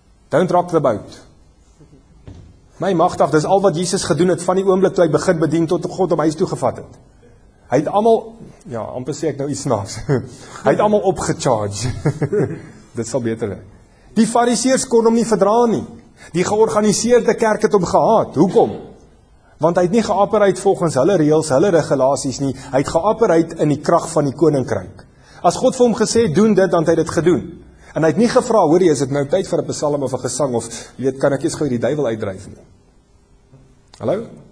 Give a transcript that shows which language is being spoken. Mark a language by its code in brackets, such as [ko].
[en] Don't rock the boat. [af] My magtig, dis al wat Jesus gedoen het van die oomblik toe hy begin bedien tot God hom huis toe gevat het. Hy het almal, ja, amper sê ek nou iets snaaks. Hy het almal opgecharge. Dit sal beter wees. Die fariseers kon hom nie verdra nie. Die georganiseerde kerk het hom gehaat. Hoekom? Want hy het nie geoperate volgens hulle reëls, hulle regulasies nie. Hy het geoperate in die krag van die koninkryk. As God vir hom gesê, doen dit, dan het hy dit gedoen. En hy het nie gevra, hoor jy, is dit nou tyd vir 'n psalm of 'n gesang of jy weet, kan ek eens gou die duivel uitdryf nie. Hallo?